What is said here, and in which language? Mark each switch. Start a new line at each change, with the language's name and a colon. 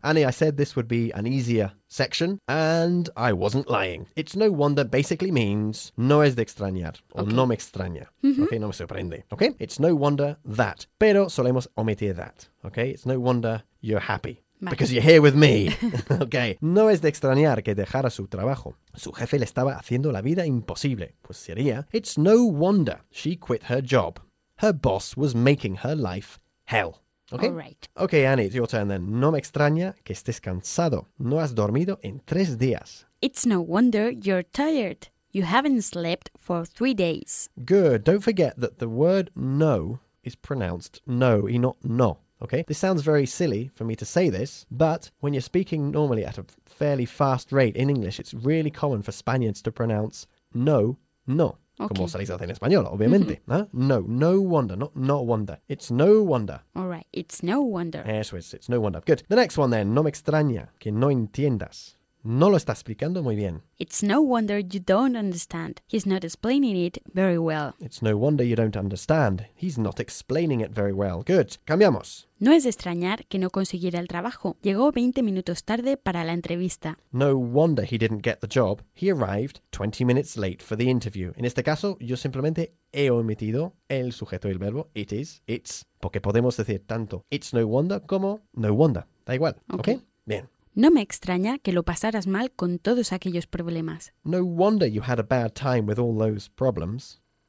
English: Annie, I said this would be an easier section, and I wasn't lying. It's no wonder basically means
Spanish: no es de extrañar, or okay. No me extraña. Mm-hmm. Okay, no me sorprende.
English: Okay, it's no wonder that.
Spanish: Pero solemos omitir
English: that. Okay, it's no wonder you're happy. Because you're here with me. Okay.
Spanish: No es de extrañar que dejara su trabajo. Su jefe le estaba haciendo la vida imposible. Pues sería,
English: it's no wonder she quit her job. Her boss was making her life hell. Okay. All right. Okay, Annie, it's your turn then.
Spanish: No me extraña que estés cansado. No has dormido en 3 días.
English: It's no wonder you're tired. You haven't slept for 3 days. Good. Don't forget that the word no is pronounced no y not no. Okay, this sounds very silly for me to say this, but when you're speaking normally at a fairly fast rate in English, it's really common for Spaniards to pronounce no, no. Okay.
Spanish: Como se dice en español, obviamente.
English: Mm-hmm. ¿Eh? No, no wonder, not no wonder. It's no wonder. All right, it's no wonder.
Spanish: Eso es,
English: it's no wonder. Good. The next one then,
Spanish: no me extraña que no entiendas. No lo está explicando muy bien.
English: It's no wonder you don't understand. He's not explaining it very well. It's no wonder you don't understand. He's not explaining it very well.
Spanish: Good. Cambiamos. No es de extrañar que no consiguiera el trabajo. Llegó 20 minutos tarde para la entrevista.
English: No wonder he didn't get the job. He arrived 20 minutes late for the interview.
Spanish: En este caso, yo simplemente he omitido el sujeto y el verbo.
English: It is. It's.
Spanish: Porque podemos decir tanto it's no wonder como no wonder. Da igual.
English: Okay.
Spanish: Bien. No me extraña que lo pasaras mal con todos aquellos problemas.
English: No wonder you had a bad time with all those problems.